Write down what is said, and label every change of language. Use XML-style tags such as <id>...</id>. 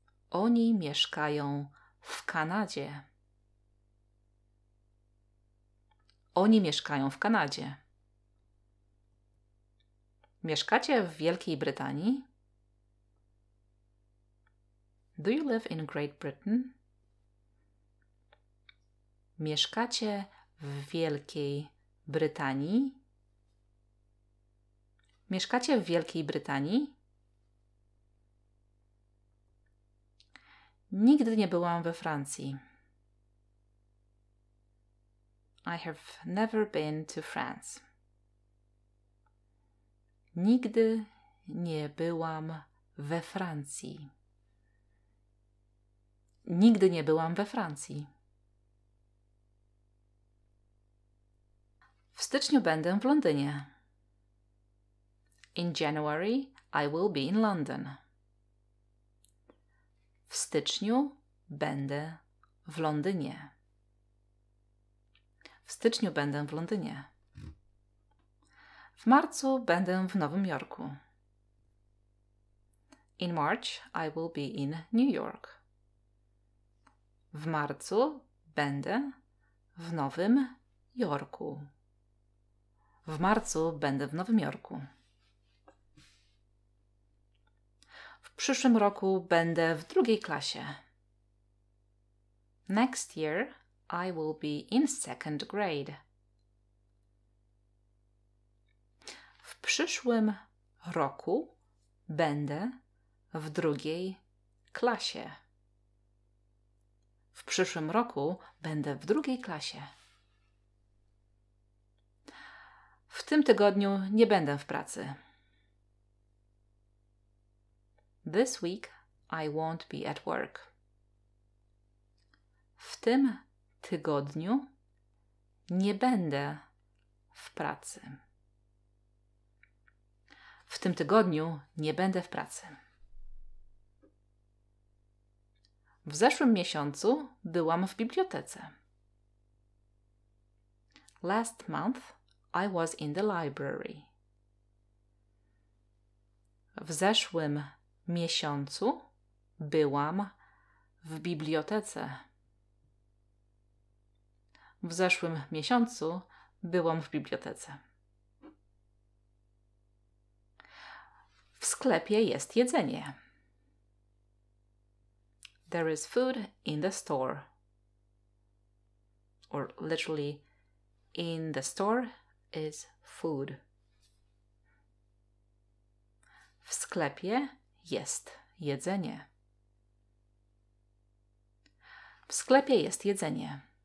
<pl>Oni mieszkają w Kanadzie. Oni mieszkają w Kanadzie. Mieszkacie w Wielkiej Brytanii?</pl> <en>Do you live in Great Britain?</en> <pl>Mieszkacie w Wielkiej Brytanii? Mieszkacie w Wielkiej Brytanii? Nigdy nie byłam we Francji.</pl> <en>I have never been to France.</en> <pl>Nigdy nie byłam we Francji. Nigdy nie byłam we Francji. W styczniu będę w Londynie.</pl> <en>In January, I will be in London.</en> <pl>W styczniu będę w Londynie. W styczniu będę w Londynie. W marcu będę w Nowym Jorku.</pl> <en>In March, I will be in New York.</en> <pl>W marcu będę w Nowym Jorku. W marcu będę w Nowym Jorku. W przyszłym roku będę w drugiej klasie.</pl> <en>Next year, I will be in second grade.</en> <pl>W przyszłym roku będę w drugiej klasie. W przyszłym roku będę w drugiej klasie. W tym tygodniu nie będę w pracy.</pl> <en>This week I won't be at work.</en> <pl>W tym tygodniu nie będę w pracy. W tym tygodniu nie będę w pracy. W zeszłym miesiącu byłam w bibliotece.</pl> <en>Last month I was in the library.</en> <pl>W zeszłym miesiącu byłam w bibliotece. W zeszłym miesiącu byłam w bibliotece. W sklepie jest jedzenie.</pl> <en>There is food in the store. Or literally, in the store is food.</en> <pl>W sklepie jest jedzenie. W sklepie jest jedzenie.</pl>